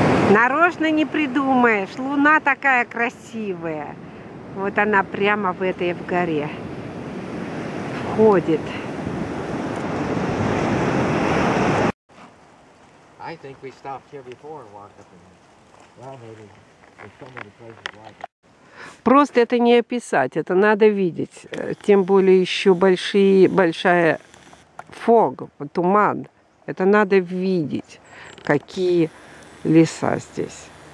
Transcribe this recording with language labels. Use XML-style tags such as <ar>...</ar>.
<ru>Нарочно не придумаешь. Луна такая красивая. Вот она прямо в этой в горе входит.</ru> <en>I think we stopped here before and walked up in here.</en> <ru>Просто это не описать, это надо видеть. Тем более еще большая</ru> <en>фог,</en> <ru>туман. Это надо видеть, какие леса здесь.</ru>